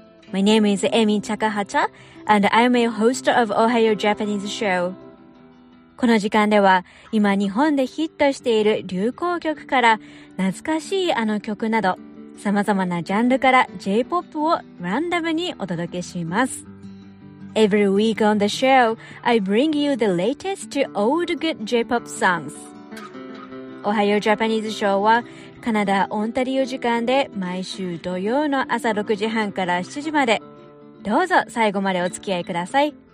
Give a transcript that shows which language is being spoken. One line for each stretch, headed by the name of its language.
English: My name is Amy Takahata and I'm a host of おはようジャパニーズショー。
Japanese: この時間では今日本でヒットしている流行曲から懐かしいあの曲など様々なジャンルから J-POP をランダムにお届けします。
English: Every week on the show, I bring you the latest to old good J-POP songs.
Japanese: おはようジャパニーズショーはカナダ・オンタリオ時間で毎週土曜の朝6時半から7時まで。どうぞ最後までお付き合いください。